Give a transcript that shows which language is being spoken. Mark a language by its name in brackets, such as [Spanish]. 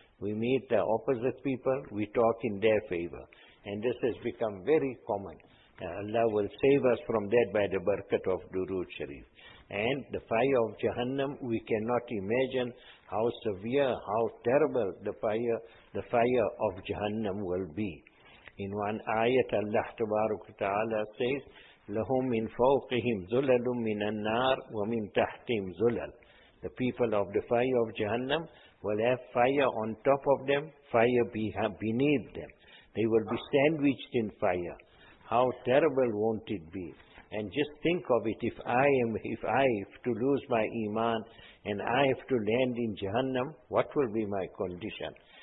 [English] We meet the opposite people, we talk in their favor. And this has become very common. Allah will save us from that by the barakat of Durood Sharif. And the fire of Jahannam, we cannot imagine how severe, how terrible the fire of Jahannam will be. In one ayat, Allah tabarak wa ta'ala says, [Arabic] لَهُمْ مِنْ فَوْقِهِمْ ظُلَلٌ مِنَ النَّارِ وَمِنْ تَحْتِهِمْ ظُلَلٌ. [English] The people of the fire of Jahannam will have fire on top of them, fire beneath them. They will be sandwiched in fire. How terrible won't it be? And just think of it, if I have to lose my iman and I have to land in Jahannam, what will be my condition?